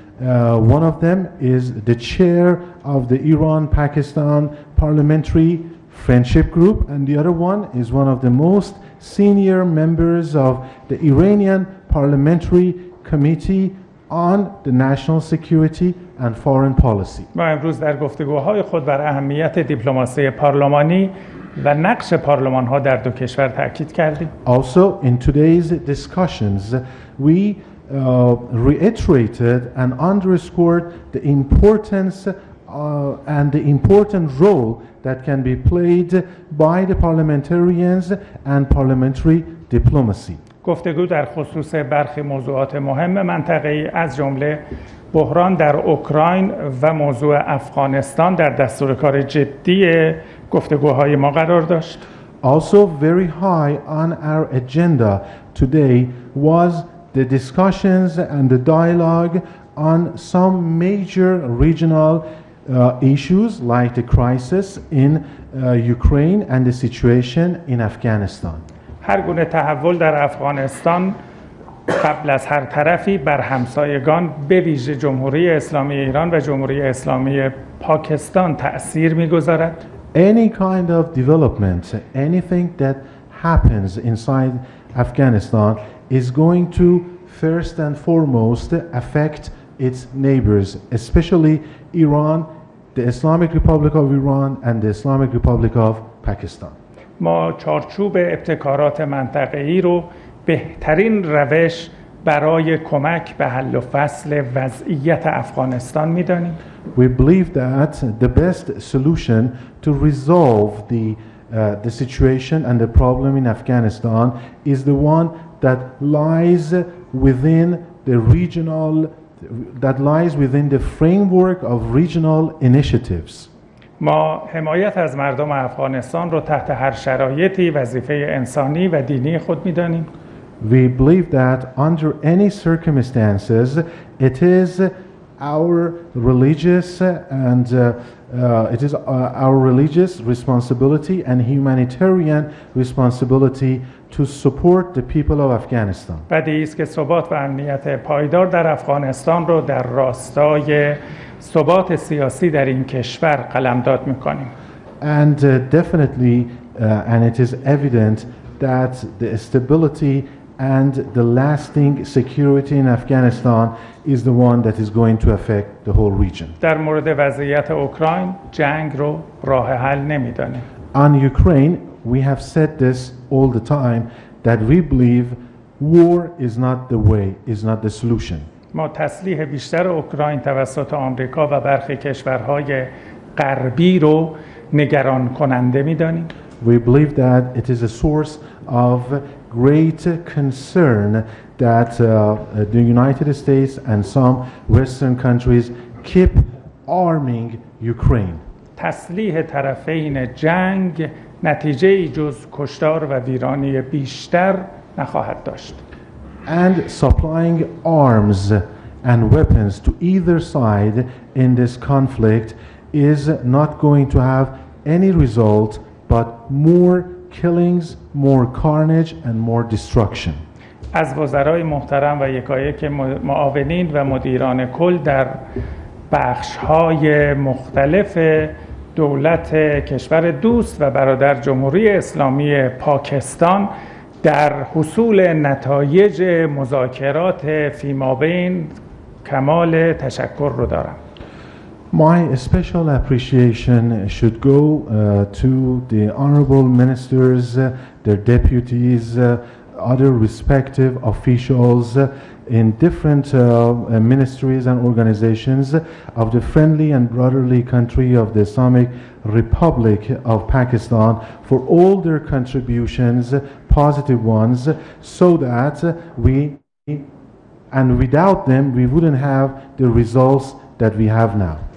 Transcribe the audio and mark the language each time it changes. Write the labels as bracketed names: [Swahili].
[English] One of them is the chair of the Iran-Pakistan Parliamentary Friendship Group, and the other one is one of the most senior members of the Iranian Parliamentary Committee on the National Security and Foreign Policy. [Persian] ما امروز در گفتگوهای خود بر اهمیت دیپلماسی پارلمانی و نقش پارلمان‌ها در دو کشور تأکید کردیم. [English] Also, in today's discussions, we reiterated and underscored the importance and the important role that can be played by the parliamentarians and parliamentary diplomacy. [Persian] گفتگو در خصوص برخی موضوعات مهم منطقه‌ای از جمله بحران در اوکراین و موضوع افغانستان در دستور کار جدی گفتگوهای ما قرار داشت. [English] Also very high on our agenda today was the discussions and the dialogue on some major regional issues like the crisis in Ukraine and the situation in Afghanistan. [Persian] هر گونه تحول در افغانستان قبل از هر طرفی بر همسایگان به ویژه جمهوری اسلامی ایران و جمهوری اسلامی پاکستان تأثیر می‌گذارد. [English] Any kind of development, anything that happens inside Afghanistan is going to first and foremost affect its neighbors, especially Iran, the Islamic Republic of Iran and the Islamic Republic of Pakistan. [Persian] ما چارچوب ابتکارات منطقه‌ای رو بهترین روش برای کمک به حل و فصل وضعیت افغانستان می‌دانیم. [English] We believe that the best solution to resolve the situation and the problem in Afghanistan is the one that lies within the regional that lies within the framework of regional initiatives. [Persian] ما حمایت از مردم افغانستان رو تحت هر شرایطی وظیفه انسانی و دینی خود می‌دانیم. [English] We believe that under any circumstances, it is our religious and our religious responsibility and humanitarian responsibility to support the people of Afghanistan. [Persian] بدیهی است که ثبات و امنیت پایدار در افغانستان رو در راستای ثبات سیاسی در این کشور قلمداد می‌کنیم. [English] And definitely, and it is evident that the stability and the lasting security in Afghanistan is the one that is going to affect the whole region. [Persian] در مورد وضعیت اوکراین جنگ رو راه حل نمی‌دانه. [English] On Ukraine, we have said this all the time that we believe war is not the way, is not the solution. [Persian] ما تسلیح بیشتر اوکراین توسط آمریکا و برخی کشورهای غربی رو نگران کننده می‌دانیم. [English] We believe that it is a source of great concern that the United States and some Western countries keep arming Ukraine. [Persian] تسلیح طرفین جنگ نتیجه ای جز کشتار و ویرانی بیشتر نخواهد داشت. [English] And supplying arms and weapons to either side in this conflict is not going to have any result but more killings, more carnage and more destruction. [Persian] از وزرای محترم و یکایک معاونین و مدیران کل در بخش‌های مختلف دولت کشور دوست و برادر جمهوری اسلامی پاکستان در حصول نتایج مذاکرات فیما بین کمال تشکر رو دارم. [English] My special appreciation should go to the honorable ministers, their deputies, other respective officials in different ministries and organizations of the friendly and brotherly country of the Islamic Republic of Pakistan for all their contributions, positive ones, so that we, and without them, we wouldn't have the results that we have now.